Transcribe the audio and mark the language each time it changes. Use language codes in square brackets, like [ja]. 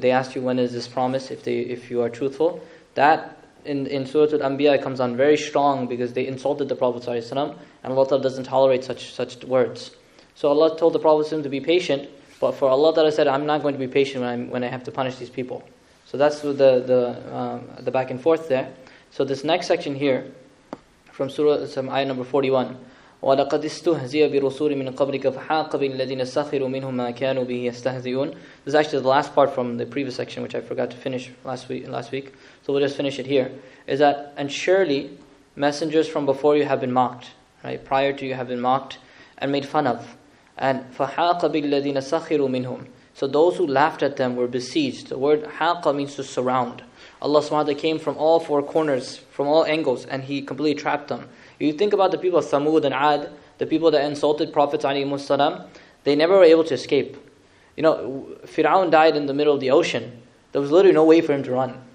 [en] They ask you, when is this promise, if you are truthful. That In Surah Al-Anbiya, it comes on very strong because they insulted the Prophet ﷺ, and Allah Ta'ala doesn't tolerate such words. So Allah told the Prophet ﷺ to be patient, but for Allah Ta'ala said, I'm not going to be patient when I have to punish these people. So that's the back and forth there. So this next section here, from Surah ayah number 41, [ar] وَلَقَدِ اسْتُهْزِيَ بِرُسُولٍ مِّن قَبْلِكَ فَحَاقَ بِالَّذِينَ سَخِرُوا مِنْهُمْ مَا كَانُوا بِهِ يَسْتَهْزِيُونَ. [en] This is actually the last part from the previous section, which I forgot to finish last week. So we'll just finish it here. Is that, and surely messengers from before you have been mocked, right? Prior to you have been mocked and made fun of. [ar] And فَحَاقَ بِالَّذِينَ سَخِرُوا مِنْهُمْ. [en] So those who laughed at them were besieged. The word حَاقَ means to surround. Allah subhanahu wa ta'ala came from all four corners, from all angles, and He completely trapped them. You think about the people of Thamud and Ad, the people that insulted Prophet ﷺ, they never were able to escape. You know, Fir'aun died in the middle of the ocean. There was literally no way for him to run.